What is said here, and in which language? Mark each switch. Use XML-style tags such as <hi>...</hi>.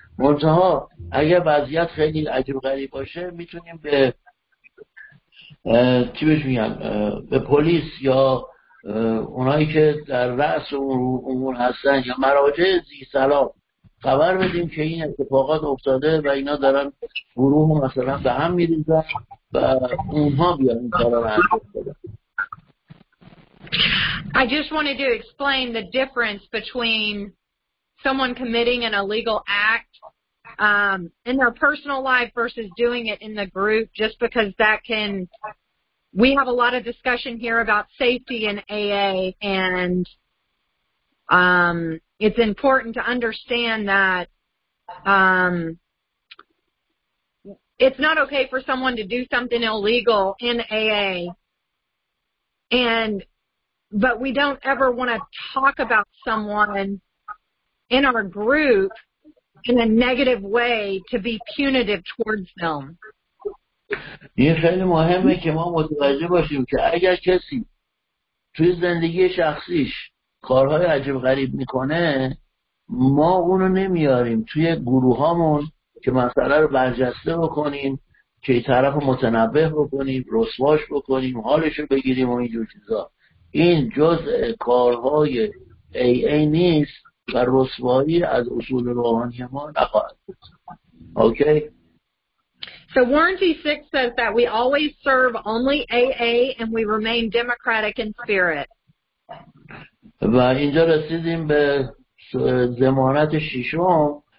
<fa>منتها اگر وضعیت خیلی عجب غریب باشه میتونیم به چی بهش میگن به پلیس یا اونایی که در رأس امور هستن یا مراجع ذی‌سلام خبر بدیم که این اتفاقات افتاده و اینا دارن گروه مثلا به هم میریزن و اونها بیان این کارا رو انجام بدن.</fa> <en>I just wanted to explain the difference between someone committing an illegal act in their personal life versus doing it in the group, just because that can, we have a lot of discussion here about safety in AA, and it's important to understand that it's not okay for someone to do something illegal in AA, and but we don't ever want to talk about someone in our group in a negative way to be punitive towards them.</en> <fa>این خیلی مهمه که ما متوجه باشیم که اگر کسی توی زندگی شخصیش کارهای عجیب غریب میکنه، ما اونو نمیاریم توی گروهامون که مسئله رو برجسته بکنیم، که طرف رو متنبه بکنیم، رسواش بکنیم، حالش رو بگیریم و اینجور چیزا. این جزء کارهای AA نیست و رسوایی از اصول روحانی ما نخواهد.</fa> <en>Okay. So Warranty 6 says that we always serve only AA and we remain democratic in spirit.</en> <fa>و اینجا رسیدیم به ضمانت ششم.</fa>